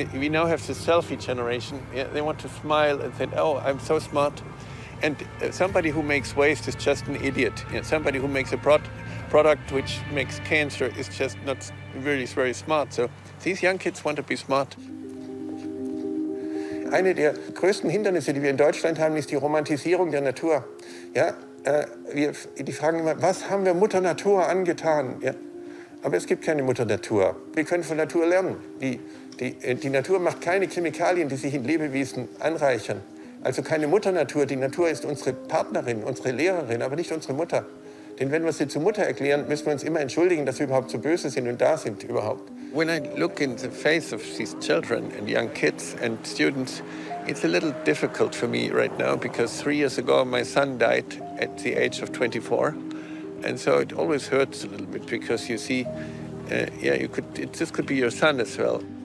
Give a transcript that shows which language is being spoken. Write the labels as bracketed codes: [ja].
[en] We now have the selfie generation. They want to smile and say, oh, I'm so smart. And somebody who makes waste is just an idiot. Somebody who makes a product which makes cancer is just not really very smart. So these young kids want to be smart. [de] Eine der größten Hindernisse, die wir in Deutschland haben, ist die Romantisierung der Natur. Ja? Die fragen immer, was haben wir Mutter Natur angetan? Ja. Aber es gibt keine Mutter Natur. Wir können von Natur lernen. Die Natur macht keine Chemikalien, die sich in Lebewesen anreichern. Also keine Mutter Natur. Die Natur ist unsere Partnerin, unsere Lehrerin, aber nicht unsere Mutter. Denn wenn wir sie zur Mutter erklären, müssen wir uns immer entschuldigen, dass wir überhaupt so böse sind und da sind überhaupt. [en] When I look in the face of these children and young kids and students, it's a little difficult for me right now, because 3 years ago my son died at the age of 24. And so it always hurts a little bit, because you see, this could be your son as well.